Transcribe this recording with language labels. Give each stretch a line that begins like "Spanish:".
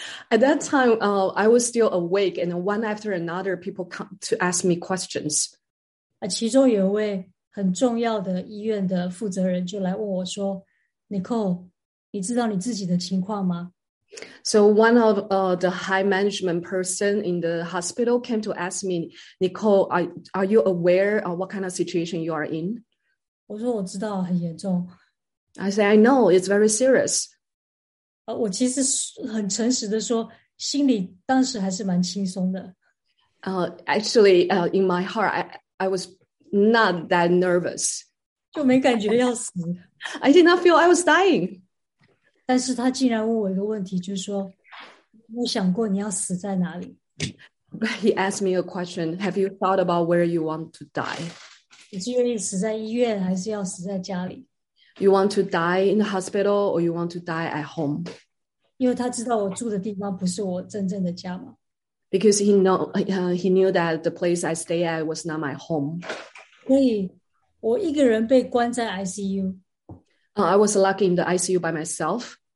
English: At that time, I was still awake, and one after another, people come to ask me questions.
Chinese: 其中有一位很重要的医院的负责人就来问我说, Nicole, 你知道你自己的情况吗?
English: So one of the high management person in the hospital came to ask me, Nicole, are you aware of what kind of situation you are in?
Chinese: 我说我知道, 很严重。
English: I said, I know, it's very serious.
Chinese: 我其实很诚实地说, 心里当时还是蛮轻松的。
English: In my heart, I was not that nervous.
Chinese: 就没感觉要死。
English: I did not feel I was dying.
Chinese: 但是他竟然问我一个问题, 就是说, 你有想过你要死在哪里?
English: He asked me a question, have you thought about where you want to die?
Chinese: 你是愿意死在医院还是要死在家里?
English: You want to die in the hospital or you want to die at home?
Chinese: 因为他知道我住的地方不是我真正的家嘛。
English: Because he knew that the place I stay at was not my home.
Chinese: 所以我一个人被关在ICU。
English: I was locked in the ICU by myself.